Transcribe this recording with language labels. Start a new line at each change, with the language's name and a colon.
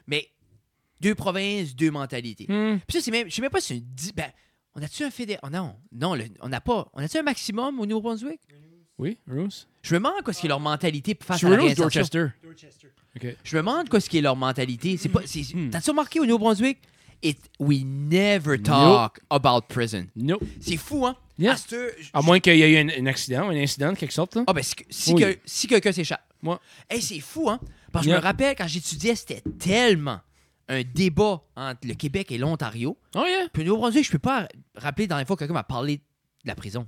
French: Mais deux provinces, deux mentalités. Mm. Puis ça, c'est même. Je ne sais même pas si c'est une. Ben, on a-tu un fédéral. Oh, non, on n'a pas. On a-tu un maximum au New-Brunswick? Oui, Rose. Je me demande quoi ce qui est leur mentalité face à la réinsertion. Sur Rose, Dorchester. Okay. Je me demande quoi ce qui est leur mentalité. T'as-tu remarqué au New-Brunswick?
English: We never talk about prison. Nope.
French: C'est fou, hein?
English: Yeah.
French: À moins qu'il y ait eu un accident, un incident de quelque sorte. Ah, ben, si quelqu'un s'échappe. Moi. Hey, c'est fou, hein? Parce que je me rappelle, quand j'étudiais, c'était tellement un débat entre le Québec et l'Ontario.
English: Oh, yeah.
French: Puis, nous, aujourd'hui, je peux pas rappeler dans les fois que quelqu'un m'a parlé de la prison.